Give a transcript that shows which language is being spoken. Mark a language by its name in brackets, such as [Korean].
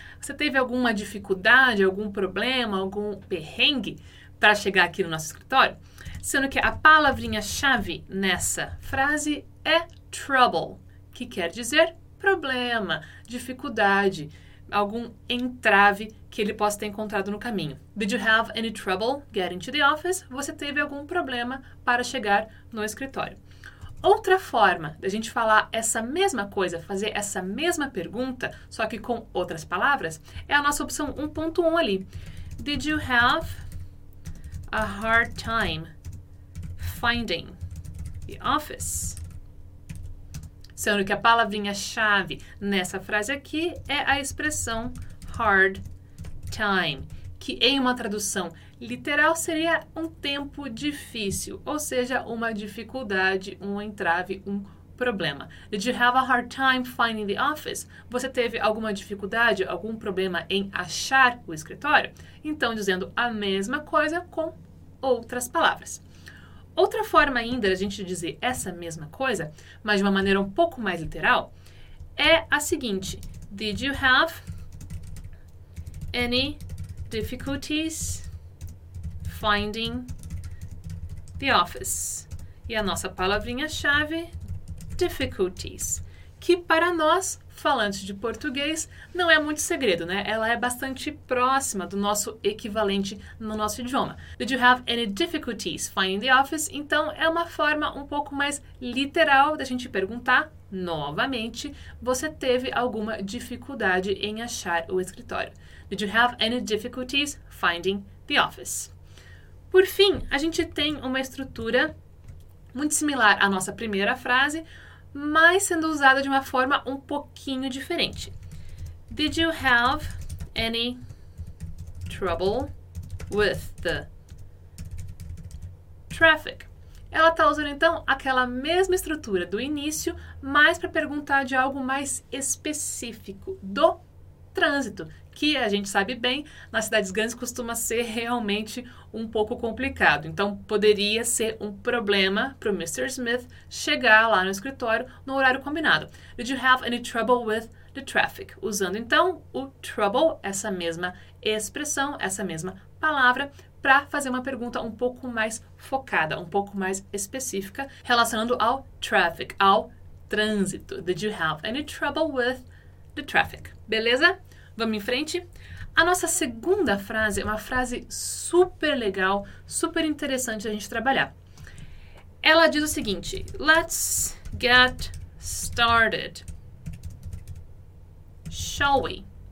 [Portuguese] Você teve alguma dificuldade, algum problema, algum perrengue para chegar aqui no nosso escritório? Sendo que a palavrinha-chave nessa frase é trouble, que quer dizer problema, dificuldade, algum entrave que ele possa ter encontrado no caminho. [English] Did you have any trouble getting to the office? [Portuguese] Você teve algum problema para chegar no escritório. Outra forma de a gente falar essa mesma coisa, fazer essa mesma pergunta, só que com outras palavras, é a nossa opção 1.1 ali. [English] Did you have a hard time finding the office? [Portuguese] Sendo que a palavrinha-chave nessa frase aqui é a expressão hard time, que em uma tradução literal seria um tempo difícil, ou seja, uma dificuldade, um entrave, um problema. [English] Did you have a hard time finding the office? [Portuguese] Você teve alguma dificuldade, algum problema em achar o escritório? Então, dizendo a mesma coisa com outras palavras. Outra forma ainda da gente dizer essa mesma coisa, mas de uma maneira um pouco mais literal, é a seguinte: [English] Did you have any difficulties finding the office? [Portuguese] E a nossa palavrinha-chave, difficulties, que para nós, falantes de português, não é muito segredo, né? Ela é bastante próxima do nosso equivalente no nosso idioma. [English] Did you have any difficulties finding the office? [Portuguese] Então, é uma forma um pouco mais literal da gente perguntar novamente: você teve alguma dificuldade em achar o escritório? [English] Did you have any difficulties finding the office? [Portuguese] Por fim, a gente tem uma estrutura muito similar à nossa primeira frase, mas sendo usada de uma forma um pouquinho diferente. [English] Did you have any trouble with the traffic? [Portuguese] Ela está usando, então, aquela mesma estrutura do início, mas para perguntar de algo mais específico, do trânsito, que a gente sabe bem, nas cidades grandes costuma ser realmente um pouco complicado. Então, poderia ser um problema para o Mr. Smith chegar lá no escritório no horário combinado. [English] Did you have any trouble with the traffic? [Portuguese] Usando, então, o trouble, essa mesma expressão, essa mesma palavra, para fazer uma pergunta um pouco mais focada, um pouco mais específica, relacionando ao traffic, ao trânsito. [English] Did you have any trouble with the traffic? [Portuguese] Beleza? Vamos em frente? A nossa segunda frase é uma frase super legal, super interessante a gente trabalhar. Ela diz o seguinte: [English] Let's get started, shall we?